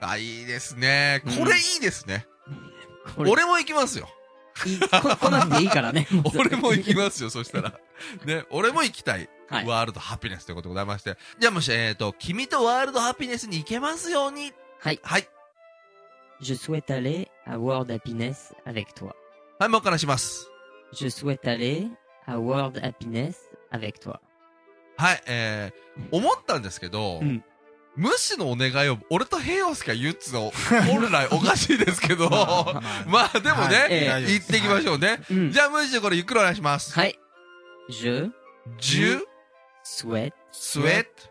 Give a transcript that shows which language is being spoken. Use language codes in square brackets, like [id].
[ja] あ、いいですね。これいいですね。うん、これ俺も行きますよ。来なくていいからね。俺も行きますよ、そしたら。ね。俺も行きたい。はい、ワールドハピネスということでございまして。じゃあもし、君とワールドハピネスに行けますように。はい。はい。 [fr] Je souhaite aller à World Happiness avec toi。 [ja] はい、もう一回します。 [fr] Je souhaite aller à World Happiness avec toi。 [ja] はい、思ったんですけど、うん、無視のお願いを俺と平洋介が言うっつの、本来おかしいですけど、まあでもね、はい、行っていきましょうね。はい、じゃあ無視でこれゆっくりお願いします。はい。 [fr] Je souhaite